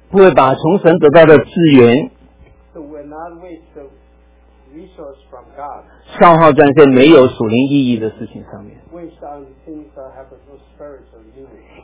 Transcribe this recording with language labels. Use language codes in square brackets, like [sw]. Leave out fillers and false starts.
[zh] 不会把从神得到的资源 [en] so will not waste the resource from God, [zh] 消耗在一些没有属灵意义的事情上面 [en] waste on things that have no spiritual meaning.